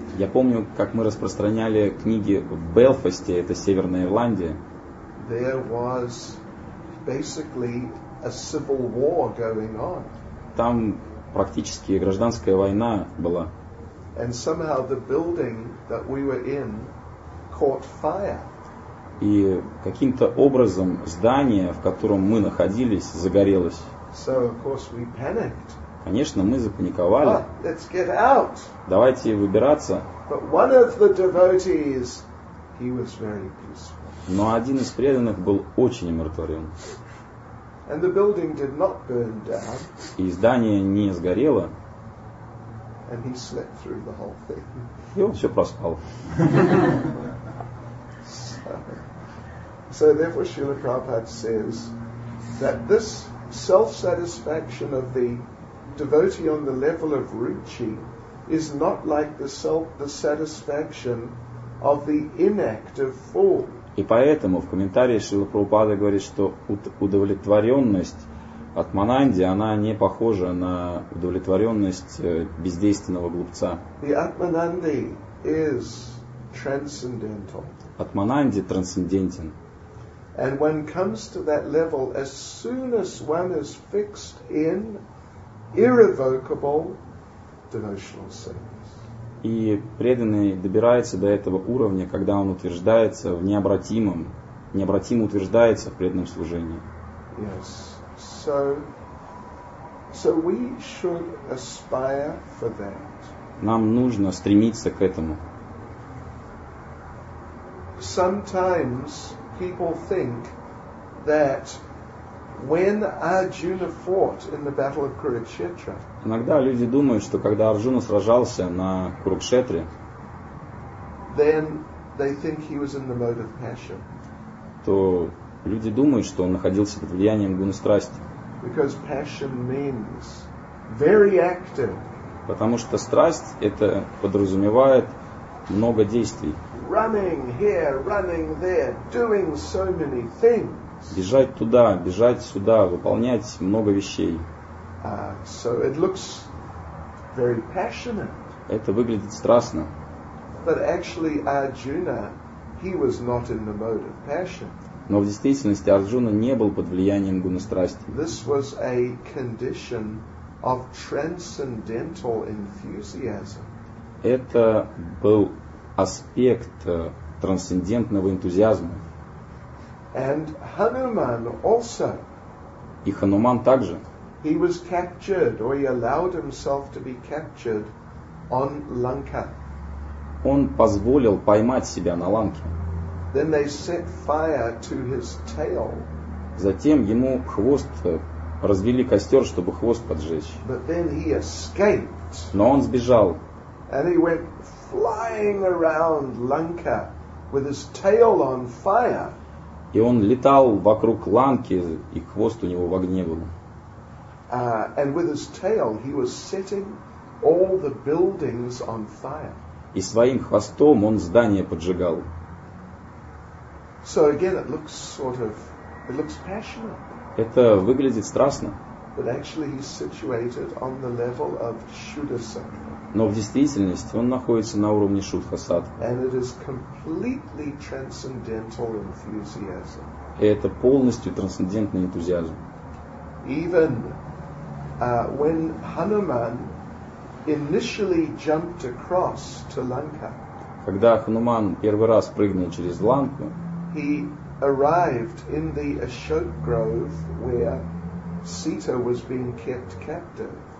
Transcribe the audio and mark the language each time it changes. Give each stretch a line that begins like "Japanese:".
Russian: Я помню, как мы распространяли книги в Белфасте, это Северная Ирландия.
English: There was basically a civil war going on.
Russian: Там практически гражданская война была.
English: And somehow the building that we were in caught fire.
Russian: И каким-то образом здание, в котором мы находились, загорелось.
English: So of course we panicked.
Russian: Конечно, мы запаниковали.
English: But let's get out.
Russian: Давайте выбираться.
English: But one of the devotees, he was very peaceful.
Russian: Но один из преданных был очень умиротворен.
English: And the building did not burn down.
Russian: И здание не сгорело.
English: And he slept through the whole thing.
Russian: И он все проспал.
English: So therefore Srila Prabhupada says that this self-satisfaction of the devotee on the level of Ruchi is not like the satisfaction of the inactive fool.
Russian: И поэтому в комментарии Шрила Прабхупада говорит, что удовлетворенность Атмананди, она не похожа на удовлетворенность бездейственного глупца.
English: The Atmananda is transcendental.
Russian: Атмананди трансцендентен.
English: And one comes to that level as soon as one is fixed in irrevocable devotional service.
Russian: И преданный добирается до этого уровня, когда он утверждается в необратимом, необратимо утверждается в преданном служении.
English: Yes. So we should aspire for that.
Russian: Нам нужно стремиться к этому.
English: Sometimes people think that when Arjuna fought in the battle of Kurukshetra.
Russian: Иногда люди думают, что когда Арджуна сражался на Курукшетре,
English: then they think he was in the mode of passion.
Russian: То люди думают, что он находился под влиянием гуны страсти.
English: Because passion means very active.
Russian: Потому что страсть это подразумевает много действий.
English: Running here, running there, doing so many things.
Russian: Бежать туда, бежать сюда, выполнять много вещей.
English: So it looks very passionate.
Russian: Это выглядит страстно.
English: But actually Arjuna, he was not in the mode of passion.
Russian: Но в действительности Арджуна не был под влиянием гуны страсти.
English: This was a condition of transcendental enthusiasm.
Russian: Это был аспект трансцендентного энтузиазма.
English: And Hanuman also.
Russian: И Хануман также.
English: He was captured, or he allowed himself to be captured, on Lanka.
Russian: он позволил поймать себя на ланке.
English: Then they set fire to his tail.
Russian: Затем ему хвост развели костер, чтобы хвост поджечь.
English: But then he escaped.
Russian: Но он сбежал.
English: And he went flying around Lanka with his tail on fire.
Russian: И он летал вокруг Ланки, и хвост у него в огне был.
English: And with his tail he was setting all the buildings on fire.
Russian: И своим хвостом он здания поджигал.
English: So again, it looks sort of, it looks passionate.
Russian: Это выглядит страстно.
English: But actually, he's situated on the level of Shuddhasattva.
Russian: Но в действительности он находится на уровне Шуддхасаттвы.
English: And it is completely transcendental enthusiasm.
Russian: И это полностью трансцендентный энтузиазм.
English: Even when Hanuman initially jumped across to Lanka.
Russian: Когда Хануман первый раз прыгнул через Ланку.
English: He arrived in the Ashok Grove where Sita was being kept captive.